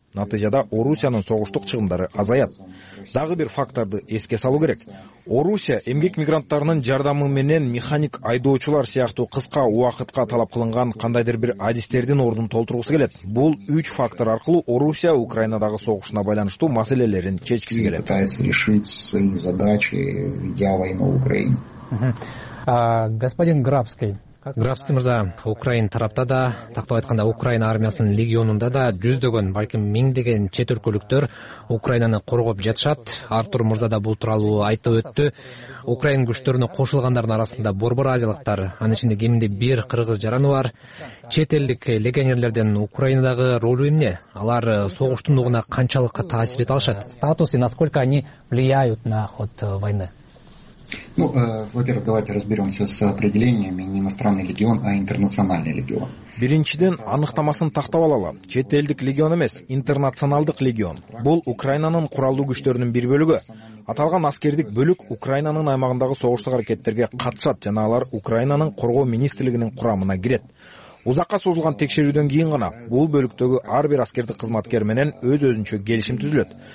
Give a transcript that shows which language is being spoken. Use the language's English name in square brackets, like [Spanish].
[Kyrgyz] Натыйжада Орусиянын согуштук чыгымдары азаят. Дагы бир факторду эске салуу керек. Орусия эмгек мигранттарынын жардамы менен механик айдоочулар сыяктуу кыска убакытка талап кылынган кандайдыр бир адистердин ордун толтургусу келет. Бул үч фактор аркылуу Орусия Украинадагы согушуна байланыштуу маселелерин чечкиси келет. [Russian] Пытается решить свои задачи, ведя войну в Украине. Господин Грабский. [Kyrgyz] Грабский мырза, Украин тарапта да, тактап айтканда Украина армиясынын легионунда да жүздөгөн, балким миңдеген чет өлкөлүктөр Украинаны коргоп жатышат. Артур мырза да бул тууралуу айтып өттү. Украин күчтөрүнө кошулгандардын арасында борбор азиялыктар, анын ичинде кеминде бир кыргыз жараны бар. Чет элдик легионерлерден Украинадагы ролу эмне? Алар согуштун угуна канчалык таасир эте алышат? [Russian] Статусы, насколько они влияют на ход войны? Ну, во-первых, давайте разберемся с определениями не иностранный легион, а интернациональный легион. [Kyrgyz] Биринчиден аныктамасын тактап алалы. Чет элдик легион эмес, интернационалдык легион. Бул Украинанын куралдуу күчтөрүнүн бир бөлүгү. Аталган аскердик бөлүк Украинанын аймагындагы согуштук аракеттерге катышат жана алар Украинанын коргоо министрлигинин курамына кирет. Узакка созулган текшерүүдөн кийин гана бул бөлүктөгү ар бир аскердик кызматкер менен өз-өзүнчө келишим түзүлөт.